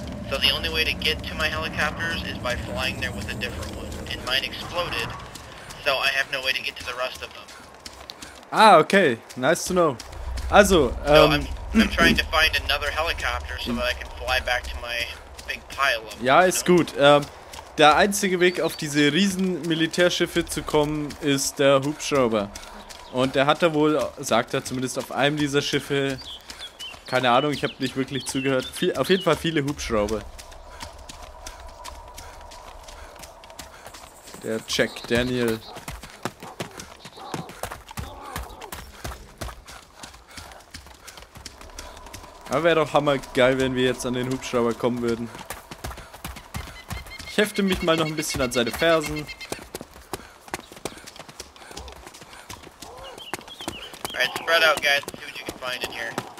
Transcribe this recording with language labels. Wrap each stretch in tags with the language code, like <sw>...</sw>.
<en>So the only way to get to my helicopters is by flying there with a different one. And mine exploded, so I have no way to get to the rest of them. Ah, okay. Nice to know. Also, I'm trying to find another helicopter so that I can fly back to my big pile of.</en> <de>Ja, ist gut. Der einzige Weg auf diese riesen Militärschiffe zu kommen ist der Hubschrauber. Und der hat da wohl, sagt er zumindest auf einem dieser Schiffe, keine Ahnung, ich habe nicht wirklich zugehört, auf jeden Fall viele Hubschrauber. Der Jack Daniel. Aber wäre doch hammergeil, wenn wir jetzt an den Hubschrauber kommen würden. Ich hefte mich mal noch ein bisschen an seine Fersen.</de> <en>Alright, spread out guys, see what you can find in here.</en>